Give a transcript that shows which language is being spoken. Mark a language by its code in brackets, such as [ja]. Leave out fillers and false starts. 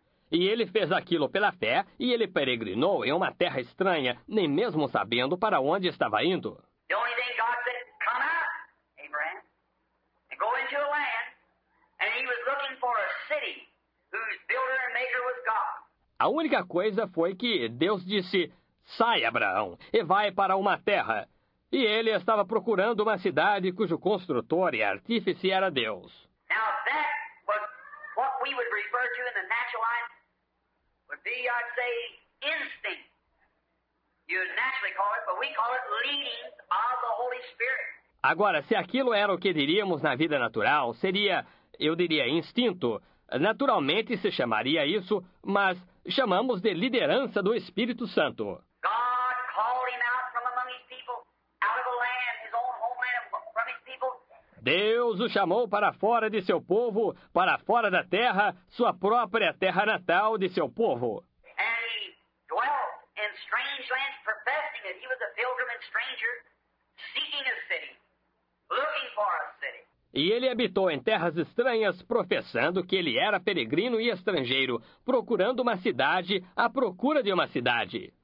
[pt] E ele fez aquilo pela fé, e ele peregrinou em uma terra estranha, nem mesmo sabendo para onde estava indo. [en] The only thing God said, come out, Abraham, and go into a land, and he was looking for a city whose builder and maker was God. [pt] A única coisa foi que Deus disse, sai, Abraão, e vai para uma terra. E ele estava procurando uma cidade cujo construtor e artífice era Deus. [en] Now that was what we would refer to in the natural life would be, I'd say, instinct. You naturally call it, but we call it leading of the Holy Spirit. [pt] Agora, se aquilo era o que diríamos na vida natural, seria, eu diria, instinto. Naturalmente se chamaria isso, mas chamamos de liderança do Espírito Santo. [en] God called him out from among his people, out of a land, his own homeland, from his people. [pt] Deus o chamou para fora de seu povo, para fora da terra, sua própria terra natal de seu povo. [en] And he dwelt in strange lands, professing that he was a pilgrim and stranger, seeking a city, looking for a city. [pt] E ele habitou em terras estranhas, professando que ele era peregrino e estrangeiro, procurando uma cidade à procura de uma cidade.